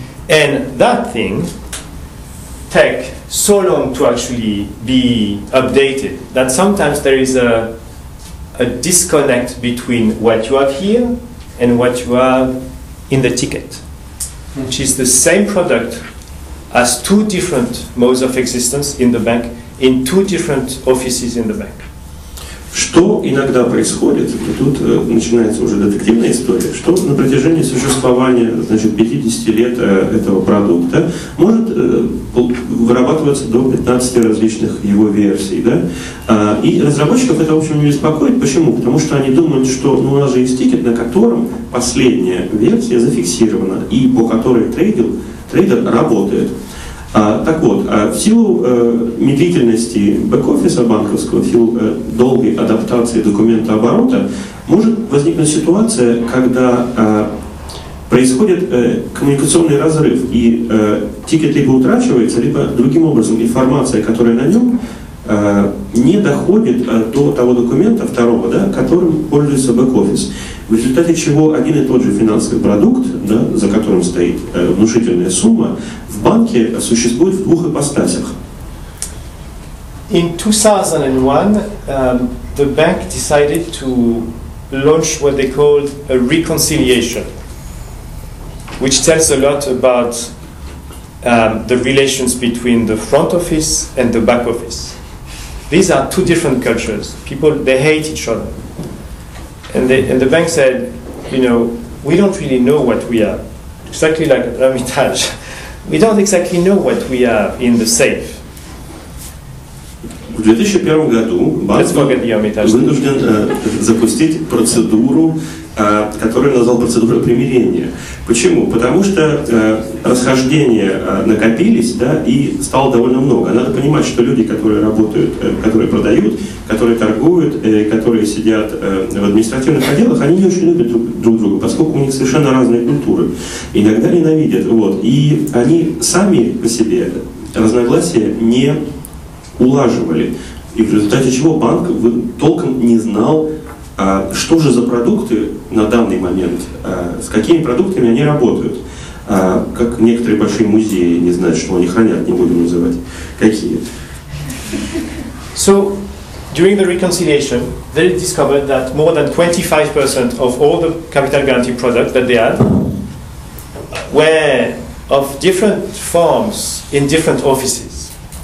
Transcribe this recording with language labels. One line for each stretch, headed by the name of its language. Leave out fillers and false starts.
English: And that thing takes so long to actually be updated that sometimes there is a disconnect between what you have here and what you have in the ticket, which is the same product as two different modes of existence in the bank, in two different offices in the bank.
Russian: Что иногда происходит, и тут начинается уже детективная история, что на протяжении существования, значит, 50 лет этого продукта может вырабатываться до 15 различных его версий, да? И разработчиков это, в общем, не беспокоит. Почему? Потому что они думают, что ну, у нас же есть тикет, на котором последняя версия зафиксирована и по которой трейдер работает. Так вот, в силу медлительности бэк-офиса банковского, в силу долгой адаптации документа оборота, может возникнуть ситуация, когда происходит коммуникационный разрыв, и тикет либо утрачивается, либо другим образом информация, которая на нем, не доходит до того документа второго, да, которым пользуется бэк-офис. В результате чего один и тот же финансовый продукт, да, за которым стоит внушительная сумма, в банке существует в двух ипостасях.
English: In 2001, the bank decided to launch what they called a reconciliation, which tells a lot about the relations between the front office and the back office. these are two different cultures. People, they hate each other. And the bank said, you know, we don't really know what we have. Exactly like Hermitage. We don't exactly know what we have in the safe.
Russian: В 2001 году банк вынужден запустить процедуру, которую назвал процедурой примирения. Почему? Потому что расхождения накопились, да, и стало довольно много. Надо понимать, что люди, которые работают, которые продают, которые торгуют, которые сидят в административных отделах, они не очень любят друг друга, поскольку у них совершенно разные культуры. Иногда ненавидят. Вот. И они сами по себе разногласия не улаживали, и в результате чего банк толком не знал, что же за продукты на данный момент, с какими продуктами они работают. Как некоторые большие музеи не знают, что они хранят, не будем называть, какие.
English: So, during the reconciliation, they discovered that more than 25% of all the capital guarantee products that they had were of different forms in different offices.